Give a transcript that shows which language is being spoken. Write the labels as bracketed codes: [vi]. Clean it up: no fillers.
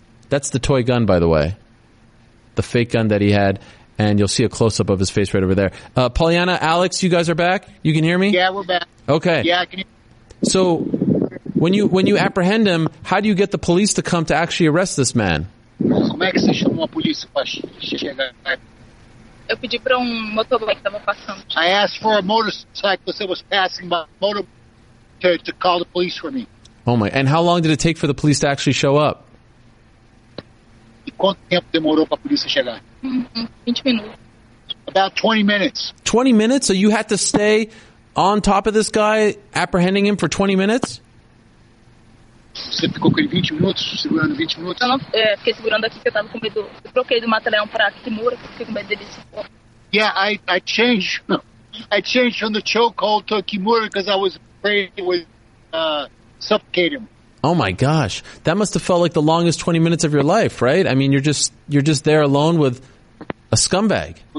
[en] That's the toy gun, by the way. The fake gun that he had. And you'll see a close-up of his face right over there. Pollyanna, Alex, you guys are back? You can hear me? Yeah, we're back. Okay. Yeah, can you... So when you apprehend him, how do you get the police to come to actually arrest this man? [pt] Como é que você chamou a polícia para chegar? Eu pedi para motorbike que estava passando. [en] I asked for a motorcyclist that was passing by to call the police for me. Oh my! And how long did it take for the police to actually show up? [pt] Quanto tempo demorou para a polícia chegar? [en] 20 minutes. About 20 minutes. 20 minutes? So you had to stay on top of this guy, apprehending him for 20 minutes? [pt] Você ficou com ele 20 minutos, segurando 20 minutos? Eu fiquei segurando aqui porque eu tava com medo. Eu troquei do mata-leão para a Kimura, fiquei com medo dele se for. [en] Yeah, I changed. I changed from the chokehold to a Kimura because I was afraid it would suffocate him. Oh my gosh, that must have felt like the longest 20 minutes of your life, right? I mean, you're just there alone with a scumbag.